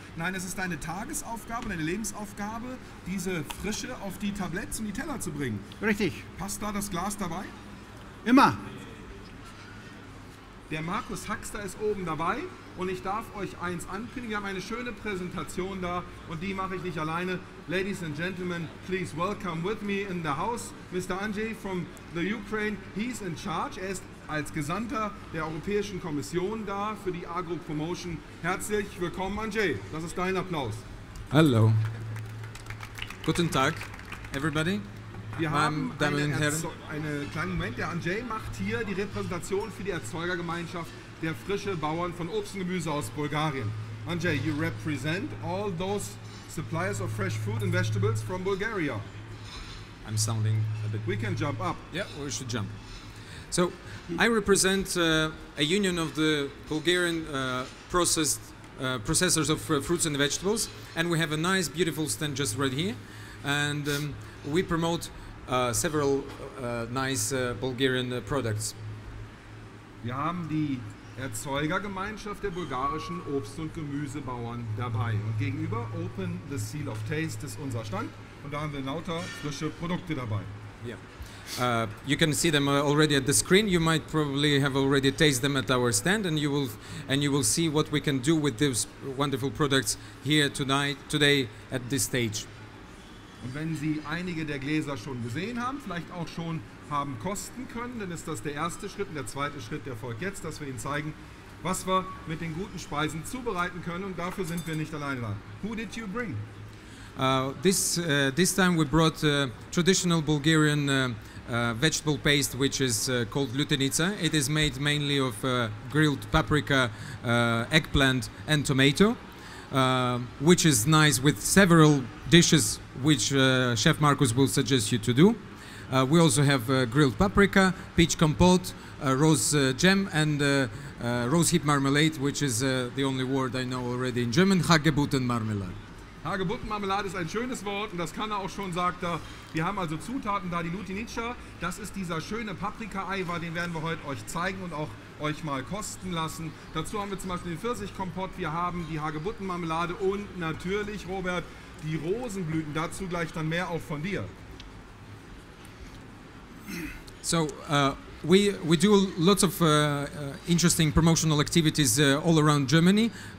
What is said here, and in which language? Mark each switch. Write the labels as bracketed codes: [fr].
[de] Nein, es ist deine Tagesaufgabe, deine Lebensaufgabe, diese Frische auf die Tabletts und die Teller zu bringen. Richtig. Passt da das Glas dabei? Immer. Der Markus Haxter ist oben dabei und ich darf euch eins ankündigen. Wir haben eine schöne Präsentation da und die mache ich nicht alleine. [en] Ladies and gentlemen, please welcome with me in the house Mr. Andrzej from the Ukraine. He's in charge. [de] Er ist als Gesandter der Europäischen Kommission da für die Agro-Promotion. Herzlich willkommen, Andrzej. Das ist dein Applaus. Hallo. Guten Tag, everybody. Wir haben einen kleinen Moment. Der Andrzej macht hier die Repräsentation für die Erzeugergemeinschaft der frischen Bauern von Obst und Gemüse aus Bulgarien. [en] Andrzej, you represent all those suppliers of fresh food and vegetables from Bulgaria. I'm sounding a bit... We can jump up. Yeah, we should jump. So, I represent a union of the Bulgarian processors of fruits and vegetables, and we have a nice, beautiful stand just right here, and we promote several nice Bulgarian products. [de] Wir haben die Erzeugergemeinschaft der bulgarischen Obst- und Gemüsebauern dabei. Und gegenüber, Open the Seal of Taste, ist unser Stand, und da haben wir lauter frische Produkte dabei. [en] Yeah. You can see them already at the screen. You might probably have already tasted them at our stand, and you will see what we can do with these wonderful products here tonight, today at this stage. [de] Und wenn Sie einige der Gläser schon gesehen haben, vielleicht auch schon haben kosten können, dann ist das der erste Schritt. Und der zweite Schritt, der folgt jetzt, dass wir Ihnen zeigen, was wir mit den guten Speisen zubereiten können. Und dafür sind wir nicht alleine da. [en] Who did you bring? This time we brought traditional Bulgarian vegetable paste, which is called lutenica. It is made mainly of grilled paprika, eggplant and tomato, which is nice with several dishes which Chef Markus will suggest you to do. We also have grilled paprika, peach compote, rose jam and rose hip marmalade, which is the only word I know already in German, Hagebuttenmarmelade. [de] Hagebuttenmarmelade ist ein schönes Wort und das kann er auch schon, sagt er. Wir haben also Zutaten da, die Lutenica, das ist dieser schöne Paprika-Eiwa, den werden wir heute euch zeigen und auch euch mal kosten lassen. Dazu haben wir zum Beispiel den Pfirsichkompott, wir haben die Hagebuttenmarmelade und natürlich, Robert, die Rosenblüten, dazu gleich dann mehr auch von dir. [en] So, we do lots of interesting promotional activities all around Germany.